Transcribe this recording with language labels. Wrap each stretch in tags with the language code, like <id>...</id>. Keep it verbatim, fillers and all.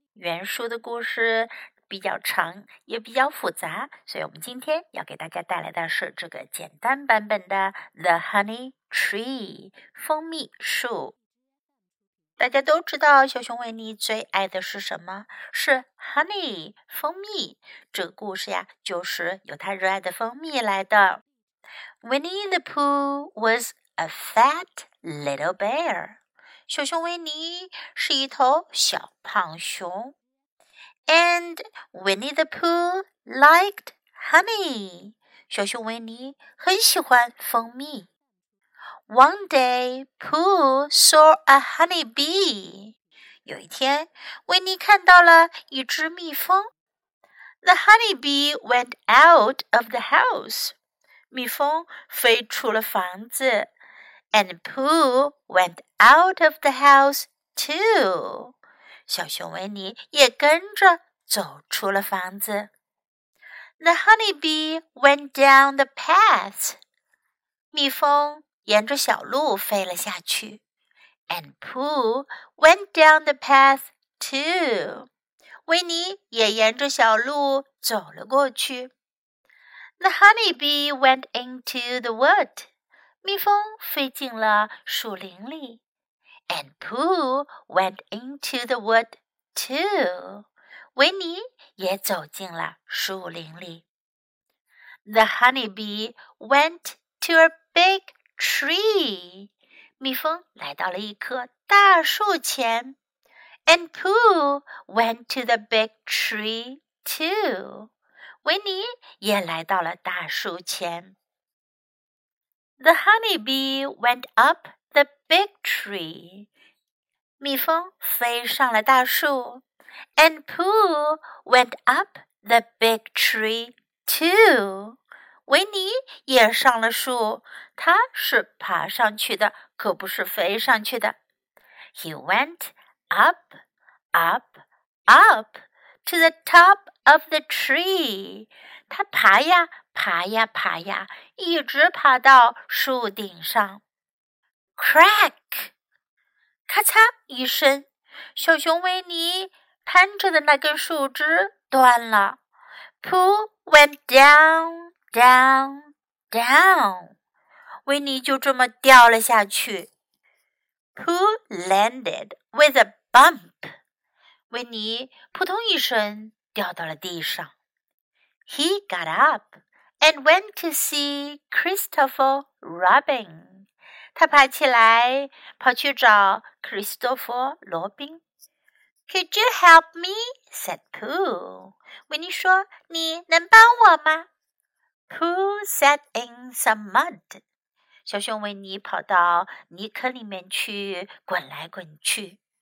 <zh>原书的故事比较长，也比较复杂，所以我们今天要给大家带来的是这个简单版本的 The Honey Tree 蜂蜜树。大家都知道小熊维尼最爱的是什么？是 honey 蜂蜜。这个故事呀，就是由他热爱的蜂蜜来的。</zh> <en>Winnie the Pooh was a fat little bear.</en> <zh>小熊维尼是一头小胖熊。</zh> <en>And Winnie the Pooh liked honey.</en> <zh>小熊维尼很喜欢蜂蜜。</zh> <en>One day, Pooh saw a honey bee.</en> <zh>有一天，维尼看到了一只蜜蜂。</zh> <en>The honey bee went out of the house.</en> <zh>蜜蜂飞出了房子。</zh> <en>And Pooh went out of the house too.</en> <zh>小熊维尼也跟着走出了房子。</zh> <en>The honey bee went down the path.</en> <zh>蜜蜂沿着小路飞了下去</zh> <en>，and Pooh went down the path too.</en> <zh>维尼也沿着小路走了过去。</zh> <en>The honey bee went into the wood.</en> <zh>蜜蜂飞进了树林里</zh> <en>，and Pooh went into the wood too.</en> <zh>维尼也走进了树林里。</zh> <en>The honey bee went to a big tree.</en> <zh>蜜蜂来到了一棵大树前</zh> <en>and Pooh went to the big tree too.</en> <zh>维尼也来到了大树前。</zh> <en>The honey bee went up the big tree.</en> <zh>蜜蜂飞上了大树</zh> <en>and Pooh went up the big tree too.</en> <zh>维尼也上了树，他是爬上去的，可不是飞上去的。</zh> <en>He went up, up, up to the top of the tree.</en> <zh>他爬呀，爬呀，爬呀，一直爬到树顶上。</zh> <en>Crack!</en> <zh>咔嚓一声，小熊维尼攀着的那根树枝断了。</zh> <en>Pooh went down. Down, down.</en> <zh>维尼就这么掉了下去。</zh> <en>Pooh landed with a bump.</en> <zh>维尼扑通一声掉到了地上。</zh> <en>He got up and went to see Christopher Robin.</en> <zh>他爬起来，跑去找 Christopher 罗宾。</zh> <en>Could you help me? Said Pooh.</en> <zh>维尼说：“你能帮我吗？”</zh> <en>Pooh sat in some mud.</en> <zh>小熊维尼跑到泥坑里面去滚来滚去。</zh>